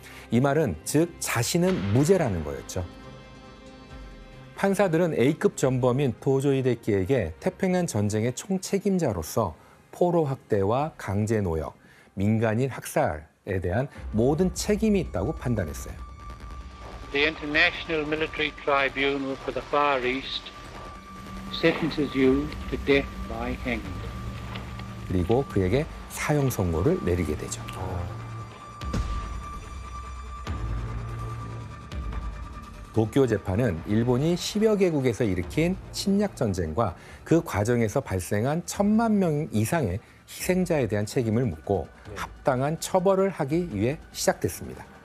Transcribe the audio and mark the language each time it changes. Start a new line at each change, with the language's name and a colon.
Korean: 이 말은 즉 자신은 무죄라는 거였죠. 판사들은 A급 전범인 도조 히데키에게 태평양 전쟁의 총책임자로서 포로 학대와 강제 노역, 민간인 학살 에 대한 모든 책임이 있다고 판단했어요.
English: The International Military Tribunal for the Far East sentences you to death by hanging.
Korean: 그리고 그에게 사형 선고를 내리게 되죠. 도쿄 재판은 일본이 10여 개국에서 일으킨 침략 전쟁과 그 과정에서 발생한 천만 명 이상의 희생자에 대한 책임을 묻고 합당한 처벌을 하기 위해 시작됐습니다.